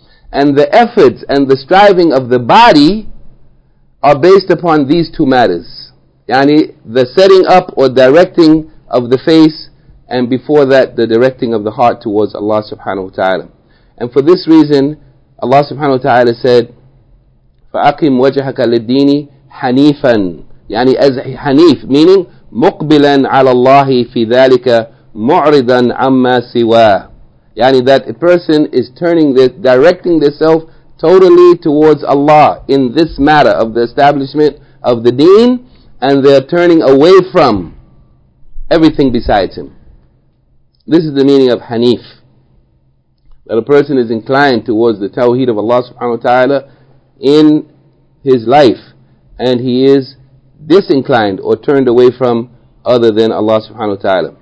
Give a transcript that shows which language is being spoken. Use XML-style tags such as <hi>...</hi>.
<en>And the efforts and the striving of the body are based upon these two matters. Yani, the setting up or directing of the face, and before that, the directing of the heart towards Allah subhanahu wa ta'ala. And for this reason, Allah subhanahu wa ta'ala said,</en> <ar>فَأَقِمْ وَجَهَكَ لِلدِّينِ حَنِيفًا. Yani,</ar> <en>as hanif, meaning</en> <ar>مُقْبِلًا عَلَى اللَّهِ فِي ذَلِكَ مُعْرِضًا عَمَّا سِوَاهِ.</ar> <en>Yani that a person is turning this, directing themselves totally towards Allah in this matter of the establishment of the deen, and they are turning away from everything besides him. This is the meaning of hanif. That a person is inclined towards the tawheed of Allah subhanahu wa ta'ala in his life, and he is disinclined or turned away from other than Allah subhanahu wa ta'ala.</en>